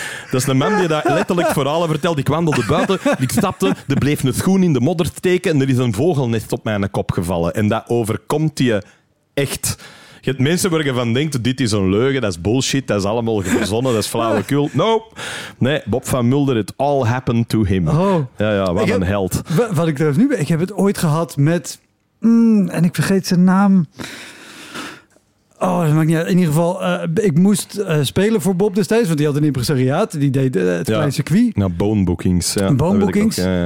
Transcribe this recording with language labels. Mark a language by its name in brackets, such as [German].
[Dutch] Dat is een man die dat letterlijk verhalen vertelt. Ik wandelde buiten, ik stapte, er bleef een schoen in de modder steken en er is een vogelnest op mijn kop gevallen. En dat overkomt je echt. Je hebt mensen waar je van denkt, dit is een leugen, dat is bullshit, dat is allemaal verzonnen, dat is flauwekul. [English] Nope. Nee, Bob van Mulder, it all happened to him. Oh. [Dutch] Ja, wat een held. Wat ik erover nu ben, ik heb het ooit gehad met... en ik vergeet zijn naam... Oh, dat maakt niet uit. In ieder geval, ik moest spelen voor Bob destijds, want die had een impresariaat. Die deed het klein circuit. Nou, Bonebookings. Ja, Bonebookings.